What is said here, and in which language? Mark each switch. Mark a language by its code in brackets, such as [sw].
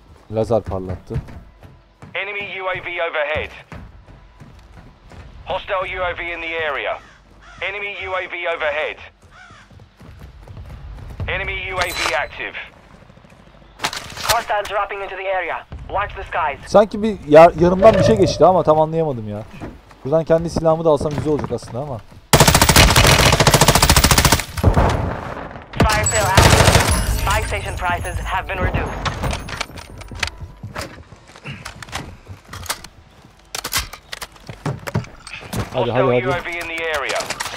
[tr] Lazer parlattı. [en] Enemy UAV overhead. Hostile UAV in the area. Enemy UAV overhead. Enemy UAV active. Hostiles dropping into the area. Watch the skies. [tr] Sanki bir yanımdan bir şey geçti ama tam anlayamadım ya. Buradan kendi silahımı da alsam güzel olacak aslında ama. [en] Fire sale active. Buy station prices have been reduced. [tr] Hadi hadi hadi.